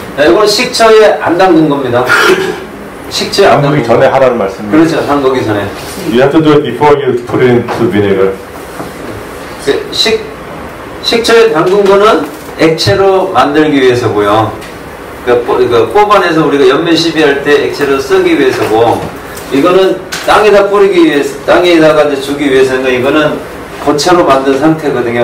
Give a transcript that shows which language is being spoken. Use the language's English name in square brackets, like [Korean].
[Korean] 이건 식초에 안 담근 겁니다. 식초에 안 담기 전에 하라는 말씀. 그렇죠. 담그기 전에. [English] You have to do it before you put it into vinegar. [Korean] 식초에 담근 거는 액체로 만들기 위해서고요. 그러니까 뽑아내서 우리가 연면 시비할 때 액체로 쓰기 위해서고, 이거는 땅에다 뿌리기 위해서, 땅에다가 이제 주기 위해서는 이거는 고체로 만든 상태거든요.